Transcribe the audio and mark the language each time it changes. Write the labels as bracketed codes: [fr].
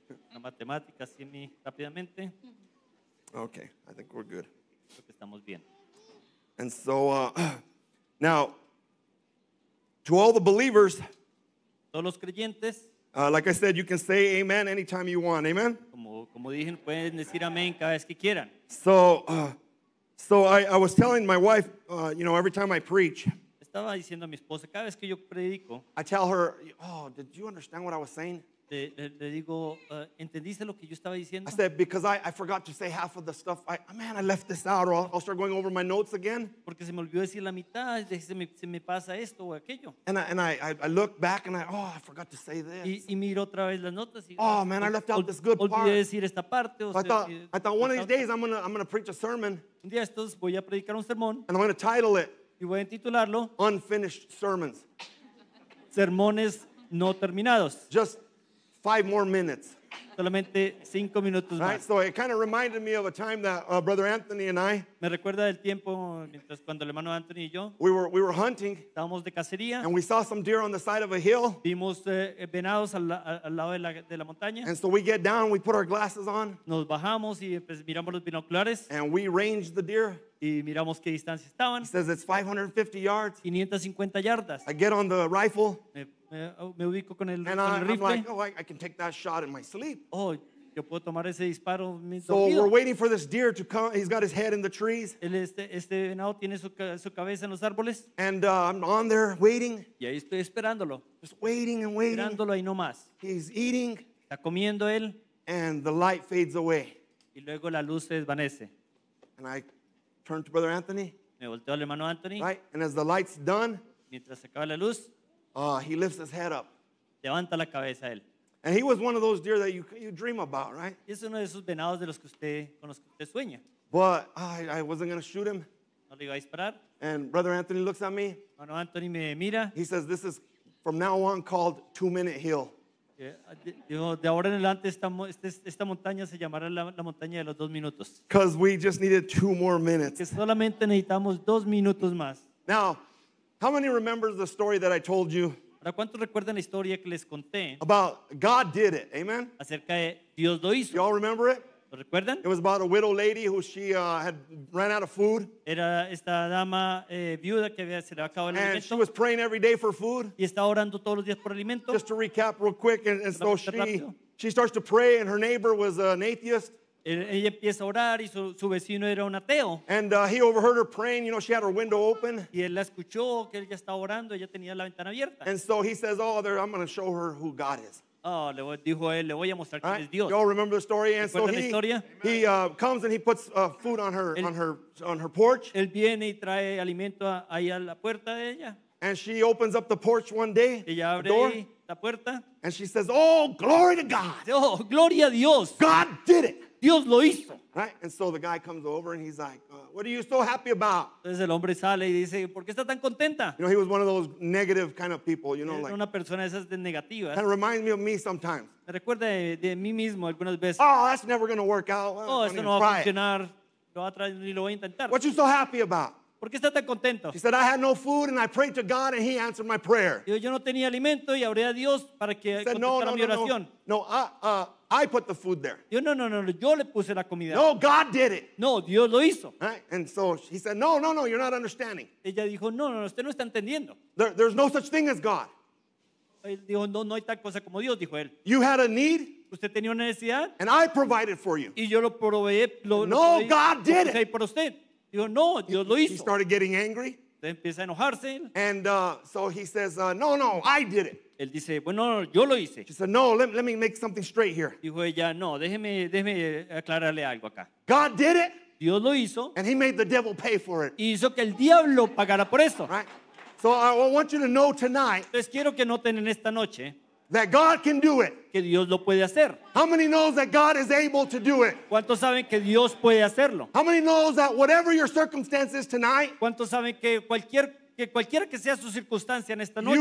[es] Una matemática así rápidamente. [en] Okay, I think we're good. [es] Creo que estamos bien. [en] And so, now, to all the believers, [es] todos los creyentes, [en] like I said, you can say amen anytime you want, amen? [es] Como dicen, pueden decir amén cada vez que quieran. [en] So, I was telling my wife, you know, every time I preach, [es] estaba diciendo a mi esposa, cada vez que yo predico, [en] I tell her, oh, did you understand what I was saying? [es] Le digo, ¿entendiste lo que yo estaba diciendo? [en] I said, because I forgot to say half of the stuff. I left this out, or I'll start going over my notes again. [es] Porque se me olvidó decir la mitad, se me pasa esto o aquello. [en] And I look back and I forgot to say this. [es] Y miro otra vez las notas. [en] Oh, man, I left out this good part. [es] Olvidé decir esta parte. [en] I thought one of these days I'm gonna preach a sermon. [es] Un día estos voy a predicar un sermón. [en] And I'm gonna title it. [es] Y voy a titularlo. [en] Unfinished sermons. [es] Sermones no terminados. [en] Just 5 more minutes. [es] Solamente 5 minutos más. [en] Right, so it kind of reminded me of a time that Brother Anthony and I. [es] Me recuerda del tiempo mientras cuando el hermano Anthony y yo. [en] We were hunting. [es] Estábamos de cacería. [en] And we saw some deer on the side of a hill. [es] Vimos venados al lado de la montaña. [en] And so we get down. We put our glasses on. [es] Nos bajamos y pues miramos los binoculares. [en] And we ranged the deer. [es] Y miramos qué distancia estaban. [en] He says it's 550 yards. [es] 550 yardas. [en] I get on the rifle. [es] Me ubico con el, [en] and [es] con el rifle. [en] I'm like, oh, I can take that shot in my sleep. [es] Oh, yo puedo tomar ese disparo. [en] So we're waiting for this deer to come. He's got his head in the trees. [es] Este venado tiene su cabeza en los árboles. [en] And I'm on there waiting. [es] Y ahí estoy esperándolo. [en] Just waiting and waiting. [es] Esperándolo ahí nomás. [en] He's eating. [es] Está comiendo él. [en] And the light fades away. [es] Y luego la luz se desvanece. [en] And I turn to Brother Anthony. [es] Me volteo al hermano Anthony. [en] Right? And as the light's done. [es] Mientras se acaba la luz. [en] He lifts his head up. [es] Levanta la cabeza él. [en] And he was one of those deer that you dream about, right? [es] Es uno de esos venados de los que usted con los que usted sueña. [en] But I wasn't going to shoot him. [es] No le iba a disparar. [en] And Brother Anthony looks at me. [es] Hermano Anthony me mira. [en] He says, "This is from now on called Two-Minute Hill." [es] De ahora en adelante esta montaña se llamará la montaña de los dos minutos. [en] Because we just needed two more minutes. [es] Que solamente necesitamos dos minutos más. [en] Now. How many remembers the story that I told you? [es] ¿Cuántos recuerdan la historia que les conté? [en] About God did it, amen. [es] Acerca de Dios lo hizo. [en] You all remember it? [es] ¿Lo recuerdan? [en] It was about a widow lady who she had ran out of food. [es] Era esta dama viuda que había se le acabó el alimento. [en] And she was praying every day for food. [es] Y estaba orando todos los días por alimento. [en] Just to recap real quick, and so she starts to pray, and her neighbor was an atheist. [es] Ella empieza a orar y su vecino era un ateo. [en] And he overheard her praying, you know, she had her window open. [es] Y él la escuchó que ella estaba orando, ella tenía la ventana abierta. [en] And so he says, oh, there, I'm going to show her who God is. [es] Oh, le dijo él, le voy a mostrar quién es Dios. [en] Y'all remember the story? And so he comes and he puts food on her on her porch. [es] Él viene y trae alimento ahí a la puerta de ella. [en] And she opens up the porch one day. [es] Ella abre [en] the door. [es] La puerta. [en] And she says, oh, glory to God. [es] Oh, gloria a Dios. [en] God did it. [es] Dios lo hizo. [en] Right? And so the guy comes over and he's like, what are you so happy about? [es] Entonces el hombre sale y dice, ¿por qué está tan contenta? [en] You know, he was one of those negative kind of people, you know, like. [es] Una persona de esas de negativas. [en] Kind of reminds me of me sometimes. [es] Me recuerda de mí mismo algunas veces. [en] Oh, that's never going to work out. [es] Oh, eso no va a funcionar. Lo voy a traer ni lo voy a intentar. [en] What are you so happy about? [es] ¿Por qué está tan contento? [en] He said, I had no food and I prayed to God and he answered my prayer. [es] Yo no tenía alimento y oré a Dios para que contestara mi oración. [en] No, I put the food there. [es] No, yo le puse la comida. [en] No, God did it. [es] No, Dios lo hizo. [en] Right? And so he said, no, you're not understanding. [es] Ella dijo, no, usted no está entendiendo. [en] There's no such thing as God. [es] Él dijo, no hay tal cosa como Dios, dijo él. [en] You had a need. [es] Usted tenía una necesidad. [en] And I provided for you. [es] Y yo lo proveí. [en] No, God did it. [es] Por usted. Dijo, no, Dios lo hizo. [en] He started getting angry. [es] Se empieza a enojarse. [en] And so he says, no, I did it. [es] Él dice, bueno, yo lo hice. [en] She said, no, let me make something straight here. [es] Dijo ella, no, déjeme aclararle algo acá. [en] God did it. [es] Dios lo hizo. [en] And he made the devil pay for it. [es] Hizo que el diablo pagara por eso. [en] Right? So I want you to know tonight. [es] Entonces quiero que noten en esta noche. [en] That God can do it. [es] Que Dios lo puede hacer. [en] How many knows that God is able to do it? [es] ¿Cuántos saben que Dios puede hacerlo? [en] How many knows that whatever your circumstances tonight? [es] ¿Cuántos saben que cualquier que cualquiera que sea su circunstancia en esta noche,